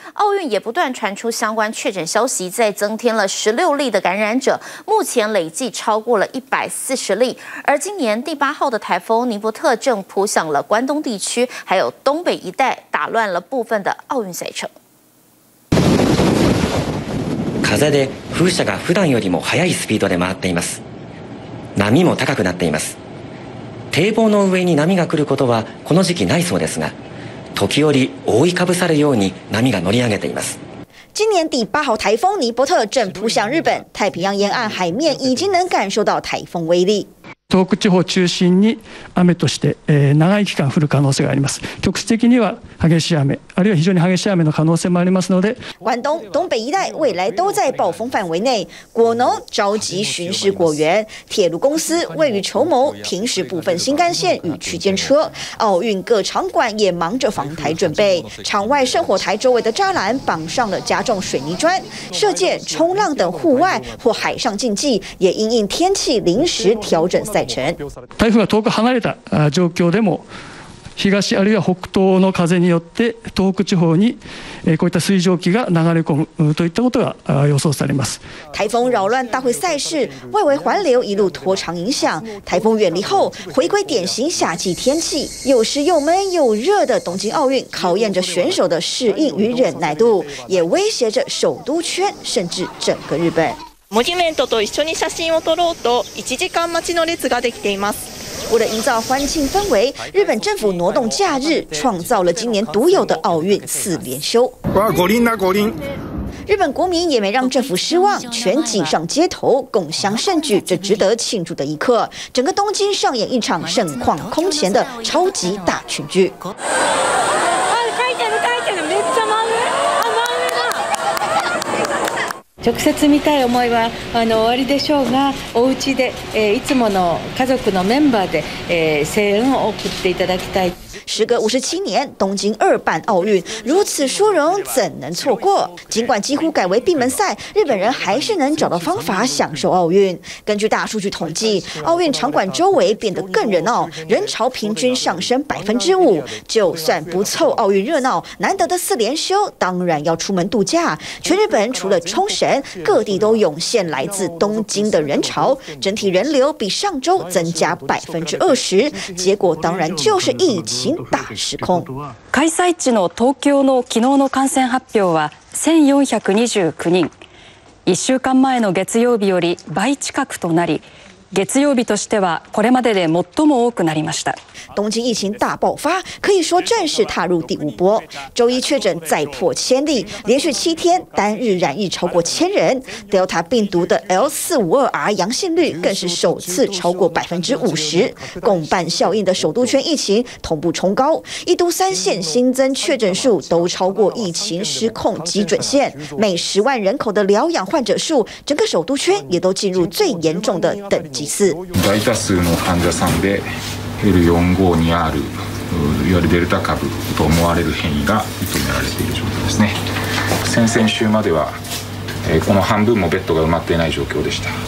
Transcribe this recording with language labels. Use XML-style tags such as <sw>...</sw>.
<zh>奥运也不断传出相关确诊消息，再增添了16例的感染者，目前累计超过了140例。而今年第8号的台风尼伯特正扑向了关东地区，还有东北一带，打乱了部分的奥运赛程。</zh> <ja>風で風車が普段よりも速いスピードで回っています。波も高くなっています。堤防の上に波が来ることはこの時期ないそうですが、時折覆いかぶさるように波が乗り上げています。</ja> <zh>今年底八号台风尼伯特正扑向日本，太平洋沿岸海面已经能感受到台风威力。</zh> <ja>東北地方中心に雨として長い期間降る可能性があります。局地的には激しい雨、あるいは非常に激しい雨の可能性もありますので、</ja> <zh>关东、东北一带未来都在暴风范围内。果农着急巡视果园，铁路公司未雨绸缪停驶部分新干线与区间车，奥运各场馆也忙着防台准备。场外圣火台周围的栅栏绑上了加重水泥砖，射箭、冲浪等户外或海上竞技也因应天气临时调整赛程。</zh> <ja>台風が遠く離れた状況でも、東あるいは北東の風によって東北地方にこういった水蒸気が流れ込むといったことが予想されます。</ja> <zh>台風扰乱大会赛事，外围环流一路拖长影响。台风远离后，回归典型夏季天气，又湿又闷又热的东京奥运，考验着选手的适应与忍耐度，也威胁着首都圈甚至整个日本。</zh> <ja>モニュメントと一緒に写真を撮ろうと1時間待ちの列ができています。</ja> <zh>为了营造欢庆氛围，日本政府挪动假日，创造了今年独有的奥运4连休。哇，果林呐，果林！日本国民也没让政府失望，全挤上街头共襄盛举这值得庆祝的一刻。整个东京上演一场盛况空前的超级大群聚。</zh> <ja>直接見たい思いは終わりでしょうが、お家でいつもの家族のメンバーで声援を送っていただきたい。</ja> <zh>时隔57年，东京二办奥运，如此殊荣怎能错过？尽管几乎改为闭门赛，日本人还是能找到方法享受奥运。根据大数据统计，奥运场馆周围变得更热闹，人潮平均上升5%。就算不凑奥运热闹，难得的4连休当然要出门度假。全日本除了冲绳，各地都涌现来自东京的人潮，整体人流比上周增加20%，结果当然就是疫情。大失控。</zh> <ja>開催地の東京の昨日の感染発表は1429人、1週間前の月曜日より倍近くとなり、月曜日としてはこれまでで最も多くなりました。</ja> <zh>东京疫情大爆发，可以说正式踏入第5波。周一确诊再破千例，连续7天单日染疫超过1000人。 Delta 病毒的 L452R 阳性率更是首次超过50%。共伴效应的首都圈疫情同步冲高，一都三县新增确诊数都超过疫情失控基准线。每10万人口的疗养患者数，整个首都圈也都进入最严重的等级四。</zh> <ja>大多数の患者さんでL452R、 いわゆるデルタ株と思われる変異が認められている状況ですね。先々週まではこの半分もベッドが埋まっていない状況でした。</ja>